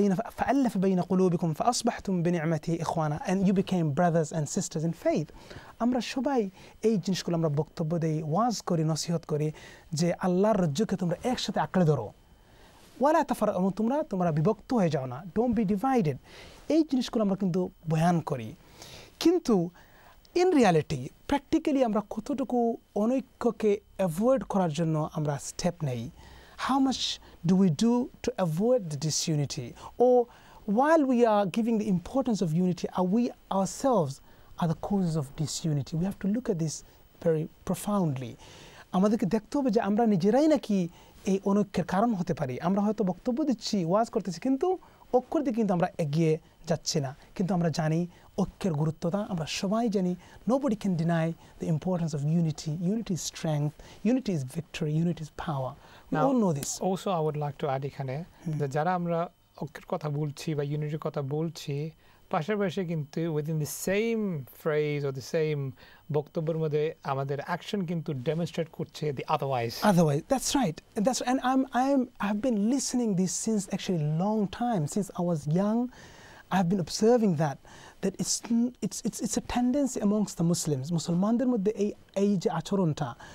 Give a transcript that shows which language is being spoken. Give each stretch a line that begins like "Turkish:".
Arabic: فألف بين قلوبكم فأصبحتم بنعمته إخوانا,
English: and you became brothers and sisters in faith.
Bangla: আমরা সবাই এই জিনিসগুলো আমরা বক্তব্য দিই, ওয়াজ করি, নসিহত করি যে আল্লাহর রাজ্যকে তোমরা একসাথে আঁকড়ে ধরো, ওয়ালা তাফার, এবং তোমরা বিভক্ত হয়ে যাও না,
English: Don't be divided.
Bangla: এই জিনিসগুলো আমরা কিন্তু বয়ান করি, কিন্তু ইন রিয়ালিটি প্র্যাকটিক্যালি আমরা কতটুকু অনৈক্যকে অ্যাভয়েড করার জন্য আমরা স্টেপ নেই?
English: How much do we do to avoid the disunity? ও while we are giving the importance of unity, আর we ourselves are the causes of disunity. We have to look at this very profoundly.
Bangla: আমাদেরকে দেখতে হবে যে আমরা নিজেরাই নাকি এই অনৈক্যের কারণ হতে পারি। আমরা হয়তো বক্তব্য দিচ্ছি, ওয়াজ করতেছি, কিন্তু ঐক্যের দিকে কিন্তু আমরা এগিয়ে যাচ্ছি না। কিন্তু আমরা জানি ঐক্যের গুরুত্বটা, আমরা সবাই জানি,
English: nobody can deny the importance of unity. Unity is strength, unity is victory, unity is power. We all know this. Also, I would like to add
Bangla: এখানে যে যারা আমরা ঐক্যের কথা বলছি বা ইউনিটির কথা বলছি, পাশাপাশি কিন্তু
English: within the same phrase or the same
Bangla: বক্তব্যের মধ্যে আমাদের অ্যাকশন কিন্তু ডেমনস্ট্রেট করছে দি otherwise.
English: otherwise, that's right, that's, and I have been listening this since actually long time, since I was young I have been observing that it's a tendency amongst the Muslims,
Bangla: মুসলমানদের মধ্যে এই যে আচরণটা।